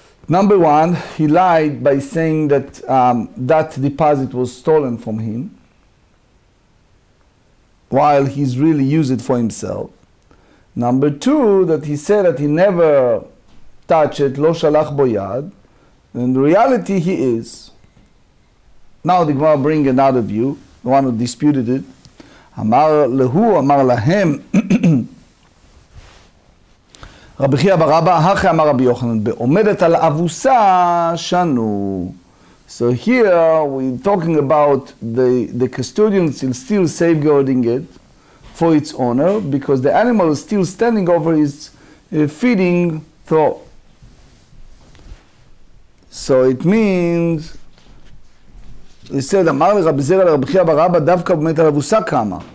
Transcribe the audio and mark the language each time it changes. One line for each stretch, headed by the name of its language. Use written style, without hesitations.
English: Number one, he lied by saying that that deposit was stolen from him, while he's really used it for himself. Number two, that he said that he never touched it,
Hebrew: lo shalach bo yad.
English: In reality, he is. Now the Gemara bring another view, the one who disputed it.
Hebrew: אמר להו, אמר להם, רבי חייא בר אבא, הכי אמר רבי יוחנן, בעומדת על אבוסה שנו.
English: So here we're talking about the custodian still safeguarding it for its owner, because the animal is still standing over his feeding trough. So it means, he said,
Hebrew: אמר לרבי זירא לרבי חייא בר אבא, דווקא באמת על אבוסה קמה.